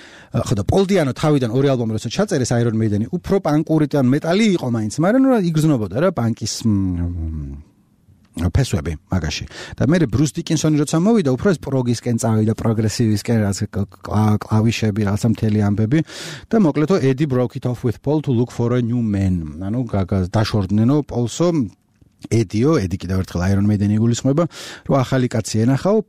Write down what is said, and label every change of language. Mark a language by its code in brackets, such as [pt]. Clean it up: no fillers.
[ka] ხოდა Paul Diano თავიდან ორი ალბომი როცა ჩაწერეს Iron Maiden-ი, უფრო პანკური და მეტალი იყო მაინც, მაგრამ იგრძნობოდა რა პანკის ფესვები მაგაში. და მე Bruce Dickinson-ი როცა მოვიდა, უფრო ეს პროგისკენ წავიდა, პროგრესივისკენ, რაც კლავიშები, რაც მთელი ამბები. და მოკლედო [en] Eddy broke it off with Paul to look for a new man. [ka] ანუ დაშორდნენო Paul-სო Eddy-ო, Eddy კიდევ ერთხელ Iron Maiden-ი გულისხმობა, რომ ახალი კაცი ენახაო.